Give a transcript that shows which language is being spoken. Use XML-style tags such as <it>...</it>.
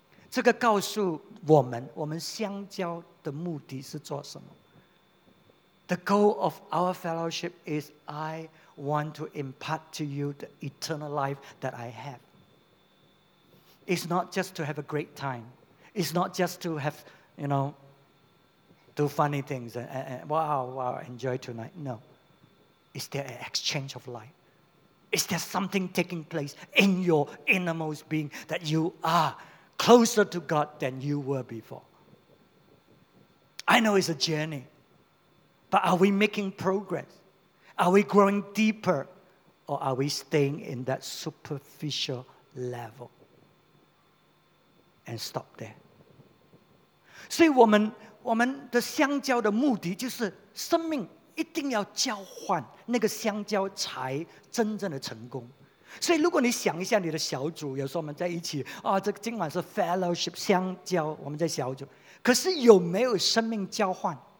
<zh>这个告诉我们，我们相交的目的是做什么？</zh> <en>The goal of our fellowship is I want to impart to you the eternal life that I have. It's not just to have a great time. It's not just to have, you know, do funny things and wow, enjoy tonight. No. Is there an exchange of life? Is there something taking place in your innermost being that you are closer to God than you were before? I know it's a journey, but are we making progress? Are we growing deeper, or are we staying in that superficial level and stop there?</en> <zh>所以我们的相交的目的就是生命一定要交换，那个相交才真正的成功。所以如果你想一下你的小组，有时候我们在一起啊，这个今晚是 fellowship 相交，我们在小组，可是有没有生命交换？</zh>